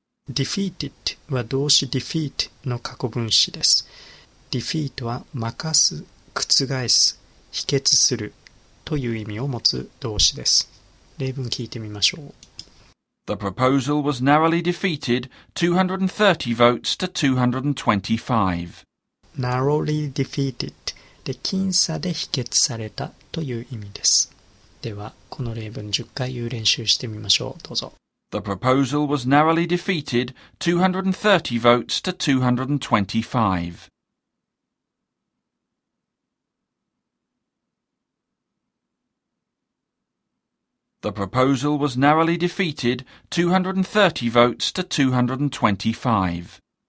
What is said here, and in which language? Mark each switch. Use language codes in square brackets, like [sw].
[ja] Defeated は動詞 defeat の過去分詞です。 Defeat は負かす、覆す、否決するという意味を持つ動詞です。例文聞いてみましょう。 [en] The proposal was narrowly defeated, 230 votes to 225. Narrowly defeated [ja] で僅差で否決されたという意味です。ではこの例文10回言う練習してみましょう。どうぞ。 [en] The proposal was narrowly defeated, 230 votes to 225. The proposal was narrowly defeated, 230 votes to 225.